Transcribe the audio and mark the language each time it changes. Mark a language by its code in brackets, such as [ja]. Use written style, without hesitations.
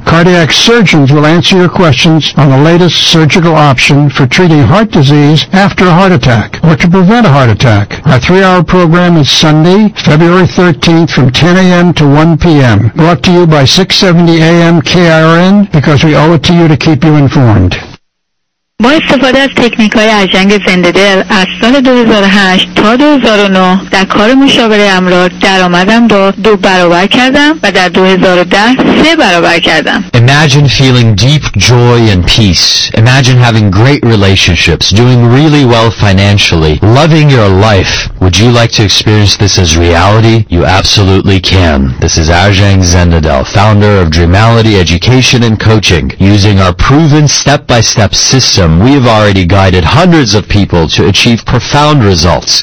[en] Cardiac surgeons will answer your questions on the latest surgical option for treating heart disease after a heart attack or to prevent a heart attack. Our 3-hour program is Sunday, February 13th from 10 a.m. to 1 p.m. Brought to you by 670 a.m. KIRN because we owe it to you to keep you informed. [fa] با استفاده از تکنیک‌های ارژنگ زنده‌دل از سال 2008 تا 2009 در کار مشاوره امرار درآمدم رو 2 برابر کردم و در 2010 3 برابر کردم. [en] Imagine feeling deep joy and peace. Imagine having great relationships, doing really well financially, loving your life. Would you like to experience this as reality? You absolutely can. This is Ajang Zendadel, founder of Dreamality Education and Coaching. Using our proven step-by-step system, we have already guided hundreds of people to achieve profound results.